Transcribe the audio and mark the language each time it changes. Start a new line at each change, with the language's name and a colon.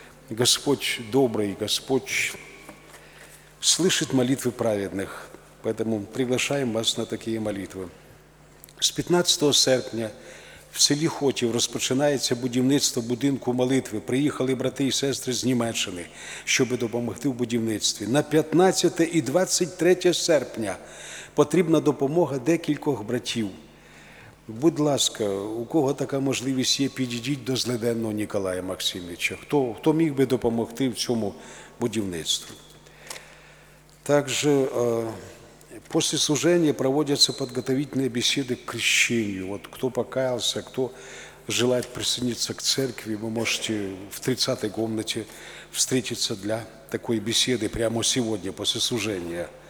Russian: Господь добрый, Господь слышит молитвы праведных, поэтому приглашаем вас на такие молитвы.
Ukrainian: С 15 серпня в селі Хотів розпочинається будівництво будинку молитви. Приїхали брати і сестри з Німеччини, щоб допомогти в будівництві. На 15 і 23 серпня потрібна допомога декількох братів. Будь ласка, у кого така можливість є, підійдіть до Зледенного Ніколая Максимовича. Хто міг би допомогти в цьому будівництві?
Russian: Також после служения проводятся подготовительные беседы к крещению. Вот кто покаялся, кто желает присоединиться к церкви, вы можете в 30-й комнате встретиться для такой беседы прямо сегодня, после служения.